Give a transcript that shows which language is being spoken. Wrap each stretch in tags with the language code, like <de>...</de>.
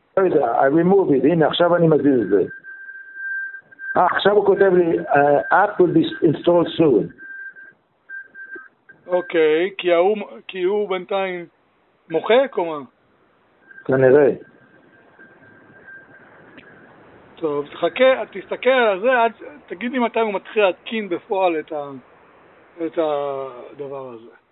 <he>לא יודע,</he> <en>I remove it,</en> <he>הנה עכשיו אני מזיז את זה. עכשיו הוא כותב לי,</he> <en>app will be installed soon.</en> <he>אוקיי, כי הוא בינתיים מוחק או מה? כנראה. טוב, תחכה, תסתכל על זה, תגיד לי מתי הוא מתחיל להתקין בפועל את הדבר הזה.</he>